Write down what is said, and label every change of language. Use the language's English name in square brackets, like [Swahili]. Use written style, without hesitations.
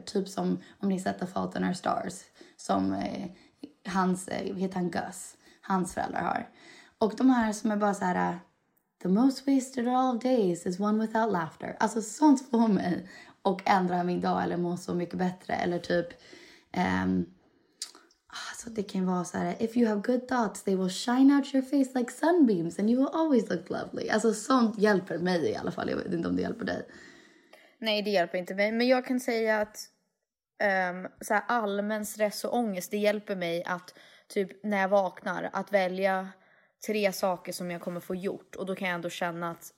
[Swedish] Typ som om ni sätter Fault in Our Stars som heter han Gus, hans föräldrar har. Och de här som är bara så här, [English] the most wasted of all days is one without laughter. [Swedish] Alltså sånt får mig. Och ändra min dag eller må så mycket bättre. Eller typ... alltså det kan vara så här... [English] If you have good thoughts, they will shine out your face like sunbeams. And you will always look lovely. [Swedish] Alltså sånt hjälper mig i alla fall. Jag vet inte om det hjälper dig. Nej, det hjälper inte mig. Men jag kan säga att... så här, allmän stress och ångest, det hjälper mig att... Typ när jag vaknar, att välja... 3 saker som jag kommer få gjort. Och då kan jag ändå känna att...